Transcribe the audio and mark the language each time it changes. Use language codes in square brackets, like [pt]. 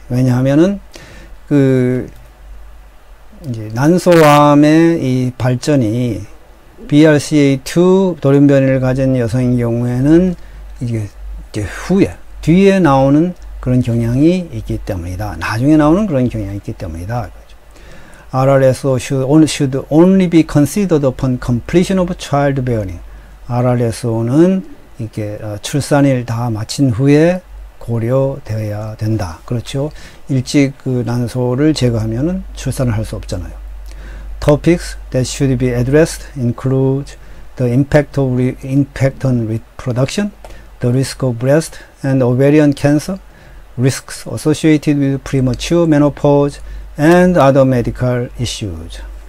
[ko] 왜냐하면은 그 이제 난소암의 이 발전이 BRCA2 돌연변이를 가진 여성인 경우에는 이제 후에 뒤에 나오는 그런 경향이 있기 때문이다. 나중에 나오는 그런 경향이 있기 때문이다. [en] RLSO should only be considered upon completion of childbearing. [ko] RLSO는 이게 출산일 다 마친 후에 고려되어야 된다. 그렇죠? 일찍 그 난소를 제거하면 출산을 할수 없잖아요. [en] Topics that should be addressed include the impact on reproduction, the risk of breast and ovarian cancer, risks associated with premature menopause, and other medical issues.